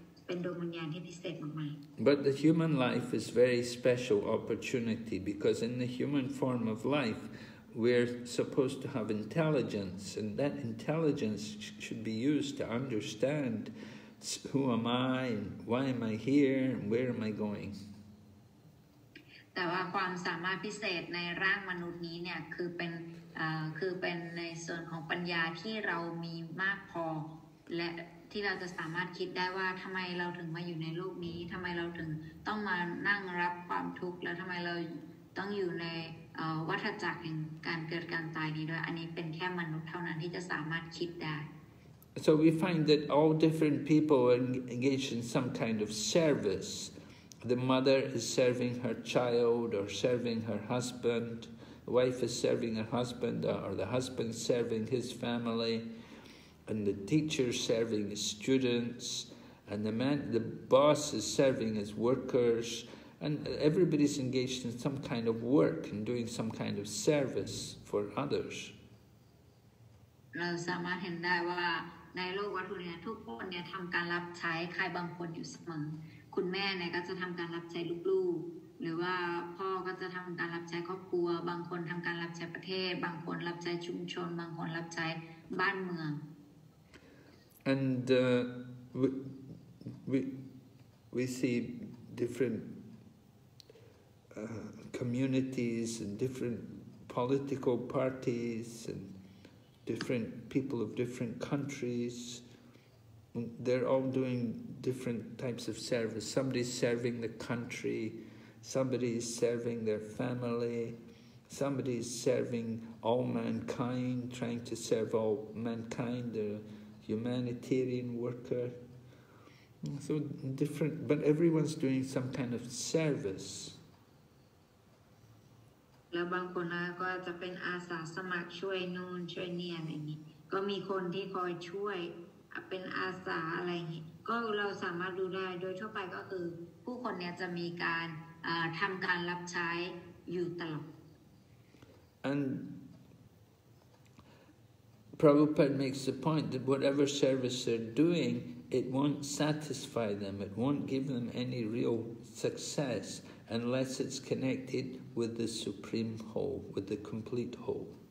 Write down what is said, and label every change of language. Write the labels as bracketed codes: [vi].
[en] But the human life is a very special opportunity because in the human form of life,We're supposed to have intelligence, and that intelligence should be used to understand who am I, and why am I here, and where am I going. [th] แต่ว่าความสามารถพิเศษในร่างมนุษย์นี้เนี่ยคือเป็นในส่วนของปัญญาที่เรามีมากพอและที่เราจะสามารถคิดได้ว่าทำไมเราถึงมาอยู่ในโลกนี้ทำไมเราถึงต้องมานั่งรับความทุกข์แล้วทำไมเราต้องอยู่ในวัฏจักรแห่งการเกิดการตายนี้ด้วยอันนี้เป็นแค่มนุษย์เท่านั้นที่จะสามารถคิดได้ [en] So we find that all different people are engaged in some kind of service. The mother is serving her child or serving her husband. The wife is serving her husband or the husband serving his family. And the teacher serving his students. And the boss is serving his workers. And everybody's engaged in some kind of work and doing some kind of service for others. [th] เราสามารถเห็นได้ว่าในโลกวัตถุเนี่ยทุกคนเนี่ยทำการรับใช้ใครบางคนอยู่เสมอคุณแม่เนี่ยก็จะทำการรับใช้ลูกๆหรือว่าพ่อก็จะทำการรับใช้ครอบครัวบางคนทำการรับใช้ประเทศบางคนรับใช้ชุมชนบางคนรับใช้บ้านเมือง [en] and we see different communities and different political parties andDifferent people of different countries, they're all doing different types of service. Somebody's serving the country, somebody's serving their family, somebody's serving all mankind, trying to serve all mankind, a humanitarian worker. So different, but everyone's doing some kind of service. [th] แล้วบางคนก็จะเป็นอาสาสมัครช่วยนู่นช่วยนี่อะไรนี้ก็มีคนที่คอยช่วยเป็นอาสาอะไรนี้ก็เราสามารถดูได้โดยทั่วไปก็คือผู้คนเนี่ยจะมีการทำการรับใช้อยู่ตลอด [en] And Prabhupada makes the point that whatever service they're doing, it won't satisfy them, it won't give them any real successUnless it's connected with the supreme whole, with the complete whole.